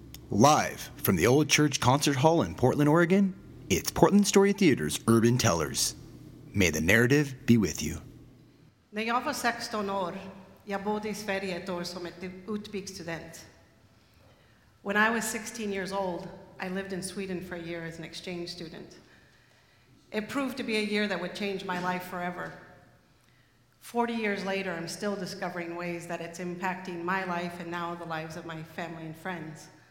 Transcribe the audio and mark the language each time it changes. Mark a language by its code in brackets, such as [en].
[en] Live from the Old Church Concert Hall in Portland, Oregon, it's Portland Story Theater's Urban Tellers. May the narrative be with you. [sv] När jag var 16 år, jag bodde I Sverige ett år som ett utbyggd student. [en] When I was 16 years old, I lived in Sweden for a year as an exchange student. It proved to be a year that would change my life forever. 40 years later, I'm still discovering ways that it's impacting my life and now the lives of my family and friends.